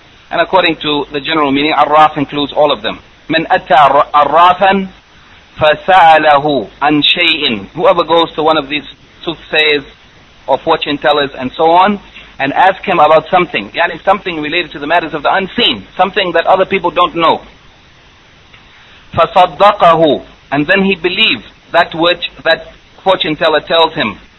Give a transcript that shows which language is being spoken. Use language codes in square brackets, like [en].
[en] And according to the general meaning, Arraf includes all of them. [ar] من أتى Arrafan فسأله عن شيء. [en] Whoever goes to one of these soothsayers or fortune tellers and so on, and ask him about something, yani something related to the matters of the unseen, something that other people don't know. [ar] فَصَدَّقَهُ, [en] and then he believes that which that fortune teller tells him.